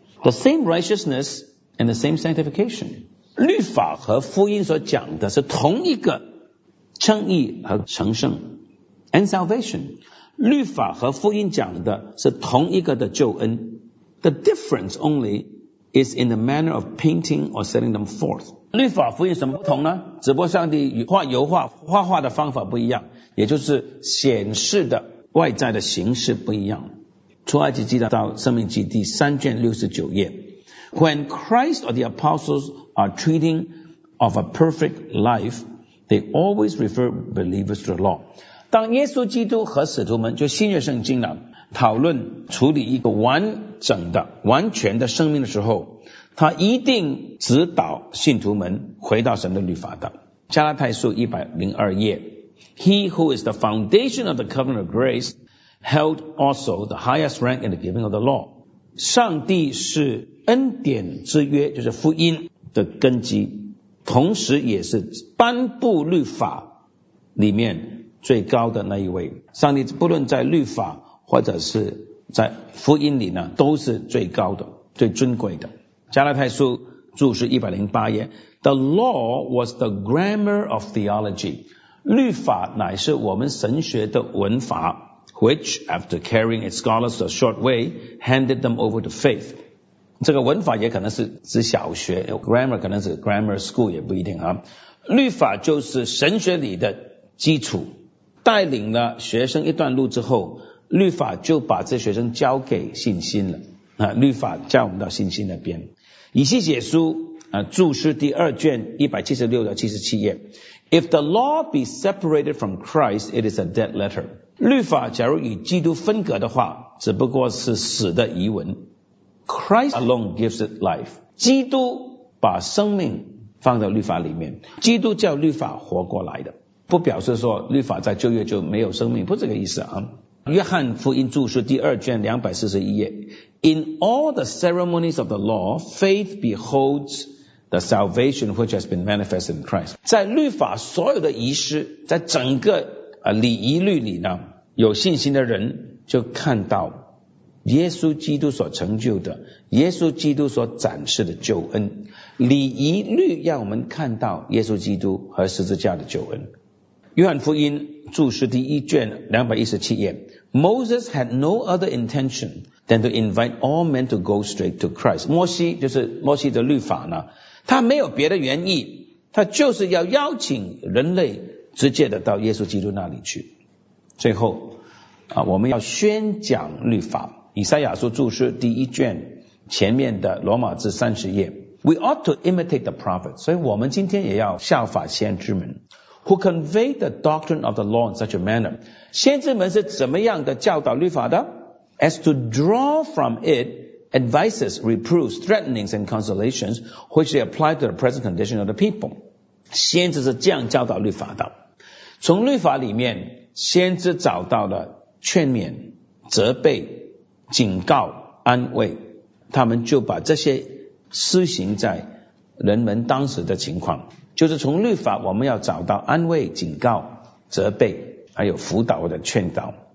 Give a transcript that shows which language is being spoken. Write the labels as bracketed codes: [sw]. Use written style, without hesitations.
[en] The same righteousness and the same sanctification. [zh] 律法和福音所讲的是同一个称义和成圣 [en] and salvation. [zh] 律法和福音讲的是同一个的救恩。 [en] The difference only is in the manner of painting or setting them forth. [zh] 律法福音什么不同呢？只不过上帝画油画，画画的方法不一样，也就是显示的外在的形式不一样。出埃及记到生命记第三卷69页。 [en] When Christ or the apostles are treating of a perfect life, they always refer believers to the law. [zh] 当耶稣基督和使徒们，就新约圣经了，讨论处理一个完整的完全的生命的时候，他一定指导信徒们回到神的律法的。加拉太书102页， [en] He who is the foundation of the covenant of grace held also the highest rank in the giving of the law。 [zh] 上帝是恩典之约，就是福音的根基，同时也是颁布律法里面最高的那一位。上帝不论在律法或者是在福音里呢，都是最高的最尊贵的。加拉太书注释108页， [en] The law was the grammar of theology， [zh] 律法乃是我们神学的文法， [en] which after carrying its scholars a short way handed them over to faith。 [zh] 这个文法也可能是指小学， grammar 可能是 grammar school 也不一定啊。律法就是神学里的基础，带领了学生一段路之后，律法就把这学生交给信心了。律法教我们到信心那边。以西结书注释2卷176到77页， [en] If the law be separated from Christ, it is a dead letter。 [zh] 律法假如与基督分隔的话，只不过是死的遗文。 [en] Christ alone gives it life， [zh] 基督把生命放在律法里面，基督叫律法活过来的。不表示说律法在旧约就没有生命，不是这个意思啊。约翰福音注释2卷241页， [en] In all the ceremonies of the law, faith beholds the salvation which has been manifested in Christ。 [zh] 在律法所有的仪式，在整个礼仪律里呢，有信心的人就看到耶稣基督所成就的，耶稣基督所展示的救恩。礼仪律让我们看到耶稣基督和十字架的救恩。约翰福音注释1卷217页， [en] Moses had no other intention than to invite all men to go straight to Christ。 [zh] 摩西就是摩西的律法呢，他没有别的原意，他就是要邀请人类直接的到耶稣基督那里去。最后我们要宣讲律法，以赛亚书注释1卷前面的罗马字30页， [en] We ought to imitate the prophets， [zh] 所以我们今天也要效法先知们。 [en] Who conveyed the doctrine of the law in such a manner? [zh] 先知们是怎么样的教导律法的？ [en] As to draw from it advices, reproofs, threatenings, and consolations, which they apply to the present condition of the people. [zh] 先知是这样教导律法的。从律法里面，先知找到了劝勉、责备、警告、安慰，他们就把这些施行在人们当时的情况。就是从律法我们要找到安慰、警告、责备，还有辅导或者劝导。